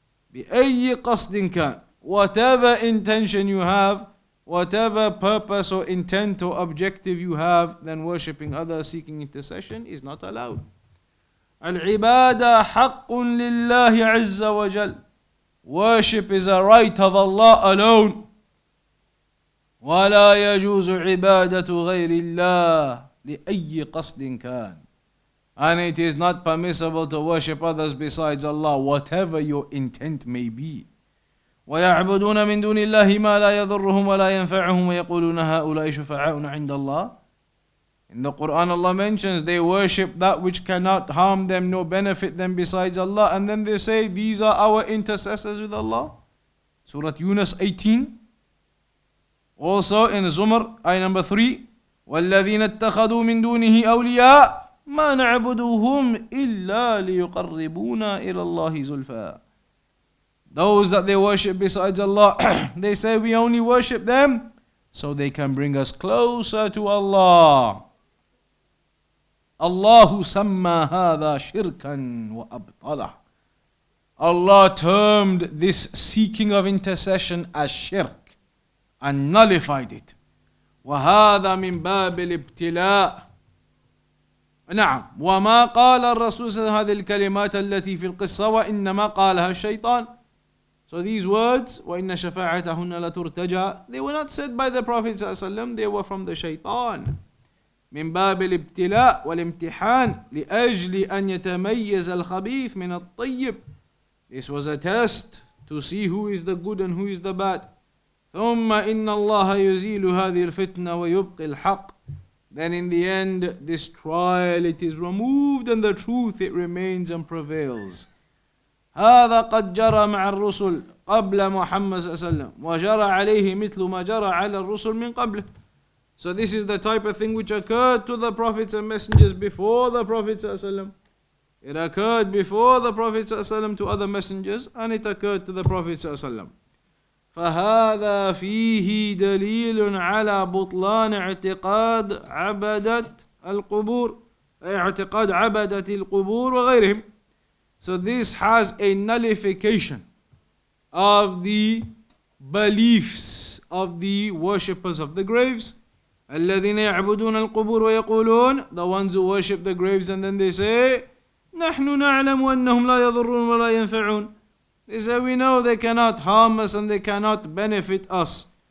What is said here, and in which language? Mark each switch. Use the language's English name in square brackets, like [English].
[Arabic] بأي قصد كان, [English] whatever intention you have, whatever purpose or intent or objective you have, then worshipping others, seeking intercession is not allowed. [Arabic] العبادة حق لله عز وجل. [English] Worship is a right of Allah alone. [Arabic] ولا يجوز عبادة غير الله لأي قصد كان. [English] And it is not permissible to worship others besides Allah, whatever your intent may be. [Arabic] وَيَعْبُدُونَ مِن دُونِ اللَّهِ مَا لَا يَضُرُّهُمْ وَلَا يَنْفَعُهُمْ وَيَقُولُونَ هَؤُلَاءِ شُفَعَاؤُنَا عِنْدَ اللَّهِ. [English] In the Quran, Allah mentions they worship that which cannot harm them nor benefit them besides Allah. And then they say, these are our intercessors with Allah. Surah Yunus 18. Also in Zumar, ayah number 3. [Arabic] وَالَّذِينَ اتَّخَذُوا مِن دُونِهِ أَوْلِيَاءَ مَا نَعْبُدُهُمْ إِلَّا لِيُقَرِّبُونَ إِلَى اللَّهِ زُلْفَى. [English] Those that they worship besides Allah, they say we only worship them so they can bring us closer to Allah. [Arabic] Allah سَمَّى هَذَا شِرْكًا وَأَبْطَلَهُ. [English] Allah termed this seeking of intercession as shirk and nullified it. [Arabic] وَهَذَا مِنْ بَابِ الْإِبْتِلَاءِ. نعم وما قال الرسول هذه الكلمات التي في القصة وإنما قالها الشيطان. [English] So these words, [Arabic] وإن شفاعتهن لترتجى, [English] they were not said by the Prophet صلى الله عليه وسلم, they were from the شيطان. [Arabic] من باب الابتلاء والامتحان لأجل أن يتميز الخبيث من الطيب. [English] This was a test to see who is the good and who is the bad. [Arabic] ثم إن الله يزيل هذه الفتنة ويبقي الحق. [English] Then in the end, this trial, it is removed and the truth, it remains and prevails. [Arabic] هذا قد جرى مع الرسل قبل محمد صلى الله عليه وسلم وجرى عليه مثل ما جرى على الرسل من قبله. [English] So this is the type of thing which occurred to the prophets and messengers before the Prophet صلى الله عليه وسلم. It occurred before the Prophet صلى الله عليه وسلم to other messengers, and it occurred to the Prophet صلى الله عليه وسلم. [Arabic] فهذا فيه دليل على بطلان اعتقاد عبدة القبور, اعتقاد عبدة القبور وغيرهم. [English] So this has a nullification of the beliefs of the worshippers of the graves. [Arabic] الَّذِينَ يَعْبُدُونَ الْقُبُورَ وَيَقُولُونَ [English] The ones who worship the graves and then they say, [Arabic] نَحْنُ نَعْلَمُ أَنَّهُمْ لَا يَضُرُّونَ وَلَا يَنْفَعُونَ [English] They say, we know they cannot harm us and they cannot benefit us.